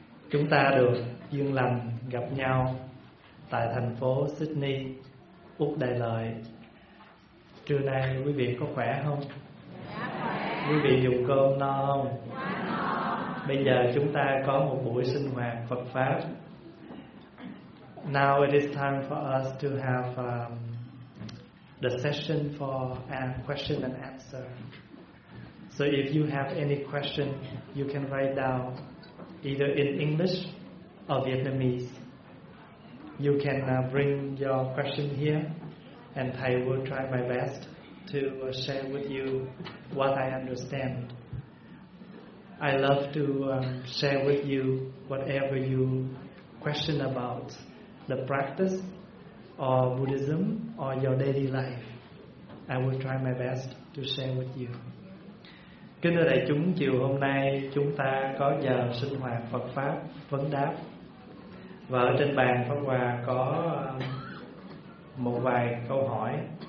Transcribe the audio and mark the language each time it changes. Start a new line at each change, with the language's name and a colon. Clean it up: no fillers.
Vietnamese: Chúng ta được duyên lành gặp nhau tại thành phố Sydney, Úc Đại Lợi. Trưa nay quý vị có khỏe không? Quý vị dùng cơm no không? Bây giờ chúng ta có một buổi sinh hoạt Phật Pháp.
English: Now it is time for us to have the session for question and answer. So if you have any question, you can write down either in English or Vietnamese. You can bring your question here, and I will try my best to share with you what I understand. I love to share with you whatever you question about the practice or Buddhism or your daily life. I will try my best to share with you.
Vietnamese: Kính thưa đại chúng, chiều hôm nay chúng ta có giờ sinh hoạt Phật Pháp vấn đáp. Và ở trên bàn Pháp Hòa có một vài câu hỏi.